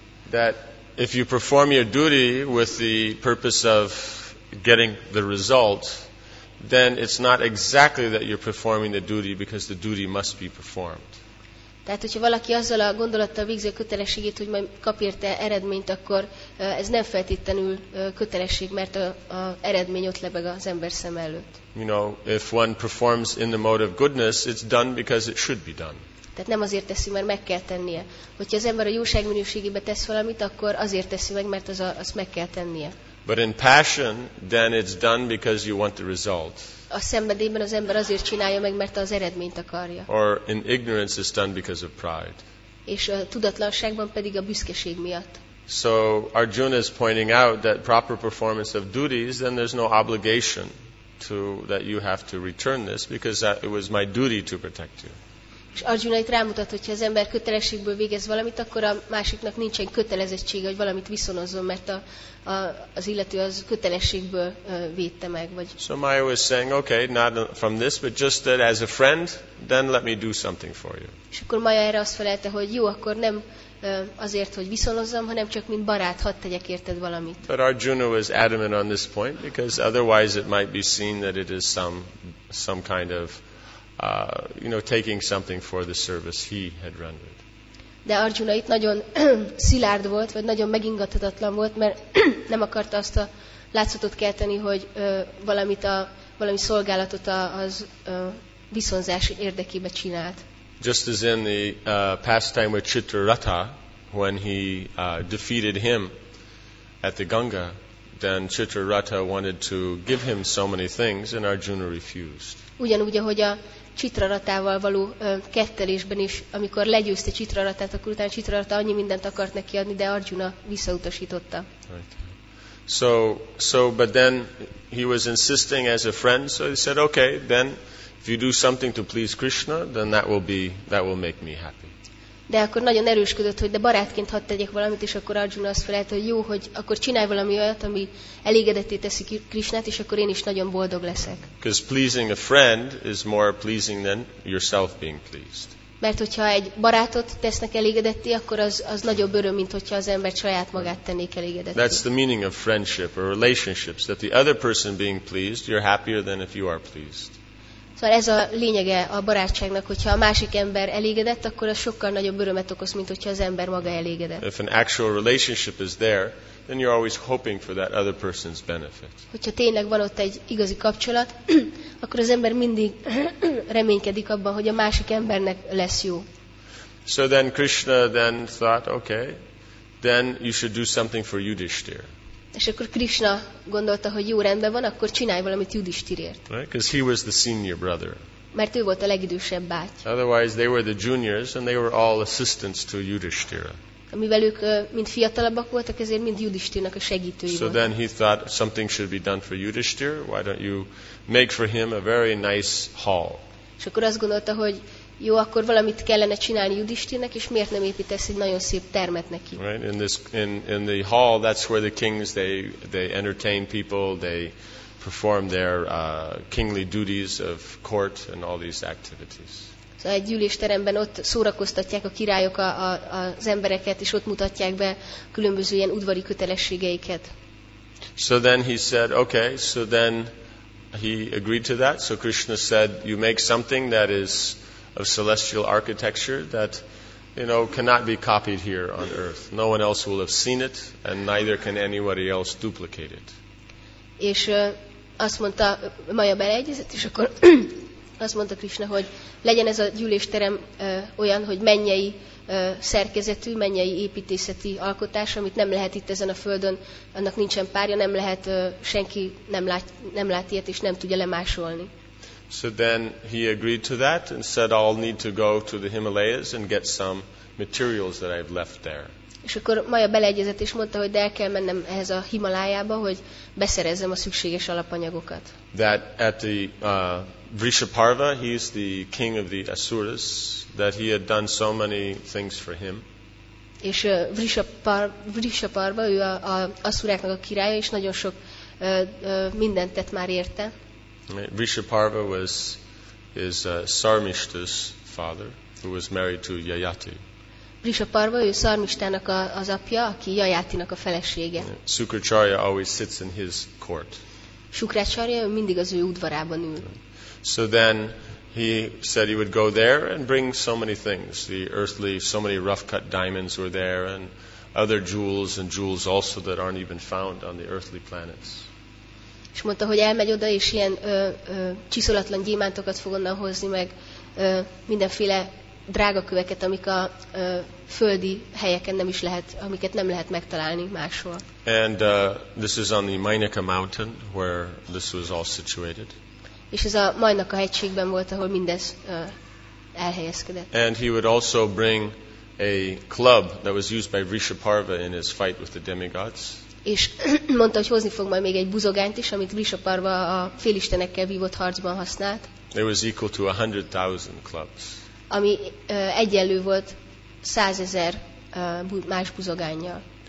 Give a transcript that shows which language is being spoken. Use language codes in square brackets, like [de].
[en] That if you perform your duty with the purpose of getting the result, then it's not exactly that you're performing the duty, because the duty must be performed. [hu] Tehát, hogyha valaki azzal a gondolattal végzi a kötelességét, hogy majd kap érte eredményt, akkor ez nem feltétlenül kötelesség, mert a eredmény ott lebeg az ember szem előtt. [en] You know, if one performs in the mode of goodness, it's done because it should be done. [hu] Tehát nem azért teszi, mert meg kell tennie. Hogyha az ember a jóság minőségébe tesz valamit, akkor azért teszi meg, mert azt meg kell tennie. [en] But in passion, then it's done because you want the result. [hu] A szenvedélyben az ember azért csinálja meg, mert az eredményt akarja. [en] Or in ignorance, it's done because of pride. [hu] És a tudatlanságban pedig a büszkeség miatt. [en] So Arjuna is pointing out that proper performance of duties, then there's no obligation to that you have to return this, because it was my duty to protect you. [hu] És Arjuna itt rámutat, hogyha az ember kötelességből végez valamit, akkor a másiknak nincsen kötelezettsége, hogy valamit viszonozzon, mert az illető az kötelességből védte meg. Vagy. [en] So Maya was saying, okay, not from this, but just that as a friend, then let me do something for you. [hu] És akkor Maya erre azt felelte, hogy jó, akkor nem azért, hogy viszonozzam, hanem csak mint barát, hadd tegyek érted valamit. [en] But Arjuna was adamant on this point, because otherwise it might be seen that it is some kind of taking something for the service he had rendered. [hu] De Arjuna itt nagyon szilárd volt, vagy nagyon megingathatatlan volt, mert nem akarta azt a látszatot kelteni, hogy valami szolgálatot az viszonzás érdekébe csinált. [en] Just as in the pastime with Chitrarata, when he defeated him at the Ganga, then Chitrarata wanted to give him so many things, and Arjuna refused. [hu] Ugyanúgy, ahogy a Csitraratával való kettelésben is, amikor legyőzte Csitraratát, akkor utána Csitrarata annyi mindent akart neki adni, de Arjuna visszautasította. [en] Right. So but then he was insisting as a friend, so he said, okay, then if you do something to please Krishna, then that will make me happy. [hu] De akkor nagyon erősködött, hogy de barátként hadd tegyek valamit, és akkor Arjuna azt felelt, hogy jó, hogy akkor csinálj valami olyat, ami elégedetté teszi Krishnát, és akkor én is nagyon boldog leszek. [en] Because pleasing a friend is more pleasing than yourself being pleased. [hu] Mert hogyha egy barátot tesznek elégedetté, akkor az nagyobb öröm, mint hogyha az ember saját magát tennék elégedetté. [en] That's the meaning of friendship or relationships, that the other person being pleased, you're happier than if you are pleased. [hu] Szóval ez a lényege a barátságnak, hogyha a másik ember elégedett, akkor az sokkal nagyobb örömet okoz, mint hogyha az ember maga elégedett. [en] If an actual relationship is there, then you're always hoping for that other person's benefit. [hu] Hogyha tényleg van ott egy igazi kapcsolat, akkor az ember mindig reménykedik abban, hogy a másik embernek lesz jó. [en] So then Krishna then thought, okay, then you should do something for Yudhishthira. [hu] És akkor Krishna gondolta, hogy jó, rendben van, akkor csinálj valamit Yudhishthirért. [en] Right, because he was the senior brother. [hu] Mert ő volt a legidősebb báty. [en] Otherwise they were the juniors and they were all assistants to Yudhishthira. [hu] Amivel ők mind fiatalabbak voltak, ezért mind Yudhishthirnak a segítői voltak. [en] So then he thought something should be done for Yudhishthira. Why don't you make for him a very nice hall? [hu] És akkor azt gondolta, hogy jó, akkor valamit kellene csinálni Yudhishthirnek, és miért nem építesz egy nagyon szép termet neki? [en] Right, in the hall, that's where the kings they entertain people, they perform their kingly duties of court and all these activities. [hu] Szóval egy gyűlésteremben ott szórakoztatják a királyok az embereket, és ott mutatják be különböző ilyen udvari kötelességeiket. [en] So then he said, okay, so then he agreed to that. So Krishna said, you make something that is of celestial architecture that, you know, cannot be copied here on earth. No one else will have seen it, and neither can anybody else duplicate it. [hu] És azt mondta Maya beleegyezett, és akkor azt mondta Krishna, hogy legyen ez a gyűlésterem olyan, hogy mennyei szerkezetű, mennyei építészeti alkotás, amit nem lehet itt ezen a földön, annak nincsen párja, nem lehet, senki nem lát ilyet, és nem tudja lemásolni. [en] So then he agreed to that and said, I'll need to go to the Himalayas and get some materials that I've left there. [hu] És akkor Maja beleegyezett és mondta, hogy de el kell mennem ehhez a Himalájába, hogy beszerezzem a szükséges alapanyagokat. [en] That at the Vrishaparva, he is the king of the Asuras, that he had done so many things for him. [hu] És Vrishaparva, ő a Asuráknak a királya, és nagyon sok mindent tett már érte. [en] Vrishaparva was his Sarmishta's father, who was married to Yayati. [hu] Vrishaparva, ő Sarmistának az apja, aki Yayatinak a felesége. [en] Sukracharya always sits in his court. [hu] Sukracharya mindig az ő udvarában ül. [en] So then he said he would go there and bring so many things. The earthly, so many rough cut diamonds were there and other jewels and jewels also that aren't even found on the earthly planets. [hu] És mondta, hogy elmegy oda és ilyen csiszolatlan gyémántokat fog onnan hozni, meg mindenféle drága köveket, amik a földi helyeken nem is lehet, amiket nem lehet megtalálni máshol. [en] And this is on the Mainaka mountain where this was all situated. [hu] És ez a Mainaka hegységben volt, ahol mindez elhelyezkedett. [en] And he would also bring a club that was used by Vrishaparva in his fight with the demigods. [hu] És mondta, hogy hozni fog majd még egy buzogányt is, amit Vrishaparva a félistenekkel vívott harcban használt. [en] It was equal to 100,000 clubs. [hu] Ami egyenlő volt 100,000 más buzogánnyal.